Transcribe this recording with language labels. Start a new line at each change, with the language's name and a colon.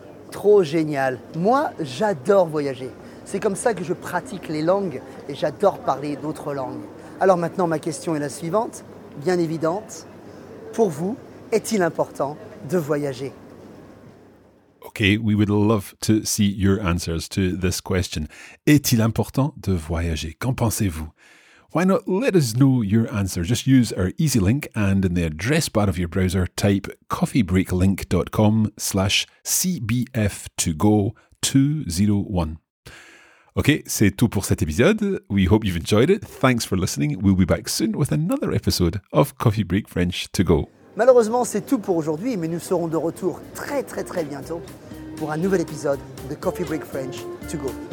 French: Trop génial. Moi, j'adore voyager. C'est comme ça que je pratique les langues et j'adore parler d'autres langues. Alors maintenant, ma question est la suivante, bien évidente. Pour vous, est-il important de voyager ?
English: Okay, we would love to see your answers to this question.
French: Est-il important de voyager ? Qu'en pensez-vous ?
English: Why not let us know your answer? Just use our easy link and in the address bar of your browser, type coffeebreaklink.com/CBF2Go201.
French: Okay, c'est tout pour cet épisode.
English: We hope you've enjoyed it. Thanks for listening. We'll be back soon with another episode of Coffee Break French to Go.
French: Malheureusement, c'est tout pour aujourd'hui, mais nous serons de retour très, très, très bientôt pour un nouvel épisode de Coffee Break French to Go.